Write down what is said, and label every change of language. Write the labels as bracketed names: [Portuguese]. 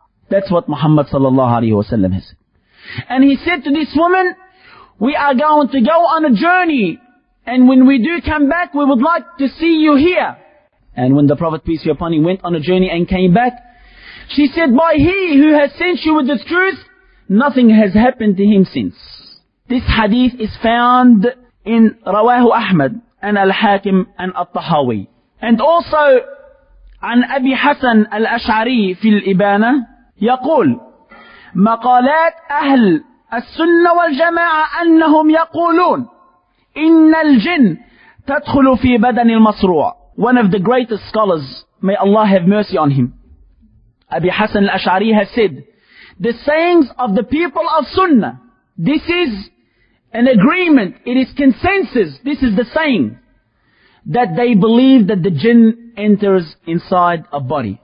[English] That's what Muhammad sallallahu alayhi wa sallam has said. And he said to this woman, "We are going to go on a journey, and when we do come back, we would like to see you here." And when the Prophet, peace be upon him, went on a journey and came back, she said, "By he who has sent you with the truth, nothing has happened to him since." This hadith is found in Rawahu Ahmad and Al-Hakim and Al-Tahawi. And also, [Arabic] عن أبي حسن الأشعري في الإبانة يقول مقالات أهل السنة والجماعة أنهم يقولون إن الجن تدخل في بدن المصروع. [English] One of the greatest scholars, may Allah have mercy on him, Abi Hasan al-Ash'ari has said, "The sayings of the people of Sunnah, this is an agreement, it is consensus, this is the saying, that they believe that the jinn enters inside a body."